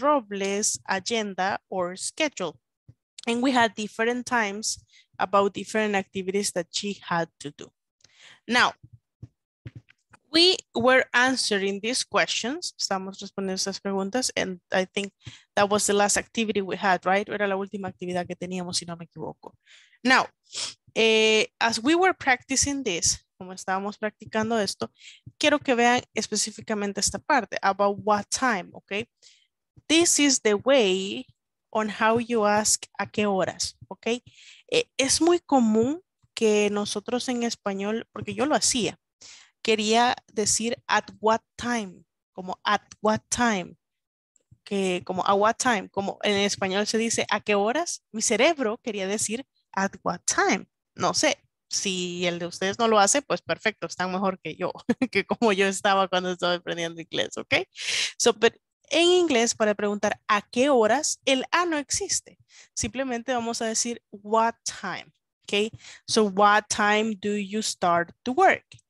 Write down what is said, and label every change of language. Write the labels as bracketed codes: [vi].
[en] Robles' agenda or schedule. And we had different times about different activities that she had to do. Now, we were answering these questions. [es] Estamos respondiendo estas preguntas. [en] And I think that was the last activity we had, right? Era la última actividad que teníamos, si no me equivoco. Now, as we were practicing this, [es] como estábamos practicando esto, quiero que vean específicamente esta parte, [en] about what time, okay? This is the way on how you ask [es] a qué horas, [en] okay? [es] Es muy común que nosotros en español, porque yo lo hacía, quería decir [en] at what time, [es] como at what time, que como [en] a what time, [es] como en español se dice a qué horas, mi cerebro quería decir at what time, no sé. Si el de ustedes no lo hace, pues perfecto, están mejor que yo, que como yo estaba cuando estaba aprendiendo inglés, ¿ok? So, pero en inglés, para preguntar a qué horas, el a no existe. Simplemente vamos a decir [en] what time, [es] ¿ok? [en] So, what time do you start to work?